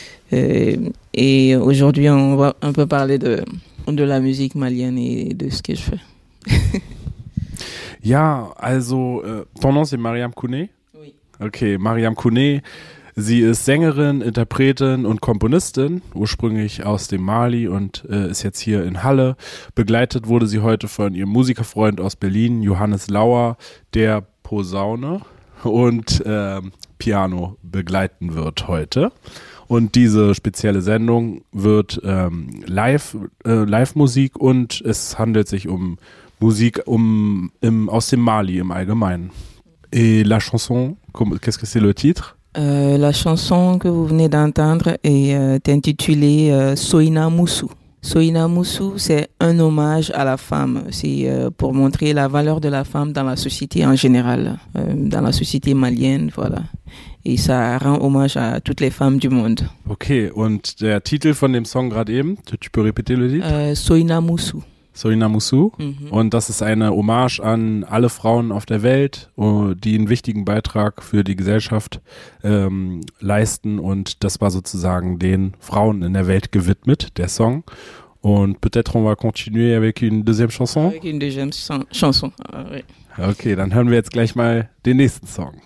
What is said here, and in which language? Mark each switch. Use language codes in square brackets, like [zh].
[fr] Et aujourd'hui, on va un peu parler de la musique malienne et de ce que je fais. [de] Ja, also, [fr] ton nom c'est Mariam Kone? Oui. Okay, Mariam Kone. [de] Sie ist Sängerin, Interpretin und Komponistin, ursprünglich aus dem Mali und ist jetzt hier in Halle. Begleitet wurde sie heute von ihrem Musikerfreund aus Berlin, Johannes Lauer, der Posaune und Piano begleiten wird heute. Und diese spezielle Sendung wird Live-Musik und es handelt sich um Musik aus dem Mali im Allgemeinen. [fr] Et la chanson, qu'est-ce que c'est le titre? La chanson que vous venez d'entendre est intitulée Soina Moussou. Soina Moussou, c'est un hommage à la femme. C'est pour montrer la valeur de la femme dans la société en général, dans la société malienne, voilà. Et ça rend hommage à toutes les femmes du monde. [de] Ok, und der Titel von dem Song gerade eben, [fr] tu peux répéter le titre? Soina Moussou. Soina Moussou. Mhm. [de] Und das ist eine Hommage an alle Frauen auf der Welt, die einen wichtigen Beitrag für die Gesellschaft leisten. Und das war sozusagen den Frauen in der Welt gewidmet, der Song. Und [fr] peut-être on va continuer avec une deuxième chanson? Avec une deuxième chanson, oui. [de] Okay, dann hören wir jetzt gleich mal den nächsten Song.